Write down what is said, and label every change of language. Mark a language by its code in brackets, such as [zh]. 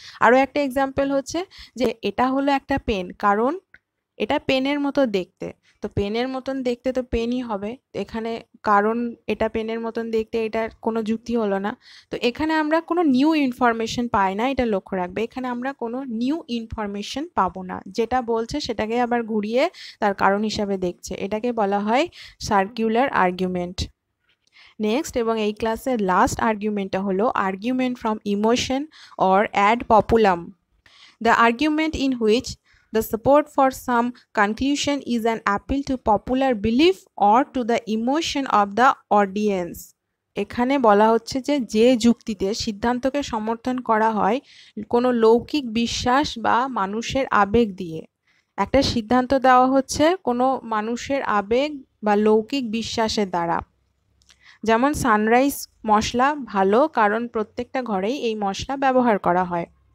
[bn] আরও একটা এক্সাম্পল হচ্ছে যে এটা হলো একটা পেন, কারণ এটা পেনের মতো দেখতে, তো পেনের মতন দেখতে তো পেনই হবে, এখানে কারণ এটা পেনের মতন দেখতে এটার কোনো যুক্তি হলো না, তো এখানে আমরা কোনো নিউ ইনফরমেশন পাই না, এটা লক্ষ্য রাখবে, এখানে আমরা কোনো নিউ ইনফরমেশন পাবো না, যেটা বলছে সেটাকে আবার ঘুরিয়ে তার কারণ হিসাবে দেখছে, এটাকে বলা হয় সার্কিউলার আর্গুমেন্ট। নেক্সট এবং এই ক্লাসের লাস্ট আর্গুমেন্টটা হলো [en] Argument from emotion or ad populum, the argument in which the support for some conclusion is an appeal to popular belief or to the emotion of the audience. [bn] এখানে বলা হচ্ছে যে যে যুক্তিতে সিদ্ধান্তকে সমর্থন করা হয় কোনো লৌকিক বিশ্বাস বা মানুষের আবেগ দিয়ে, একটা সিদ্ধান্ত দেওয়া হচ্ছে কোনো মানুষের আবেগ বা লৌকিক বিশ্বাসের দ্বারা, যেমন সানরাইজ মশলা ভালো কারণ প্রত্যেকটা ঘরেই এই মশলা ব্যবহার করা হয়,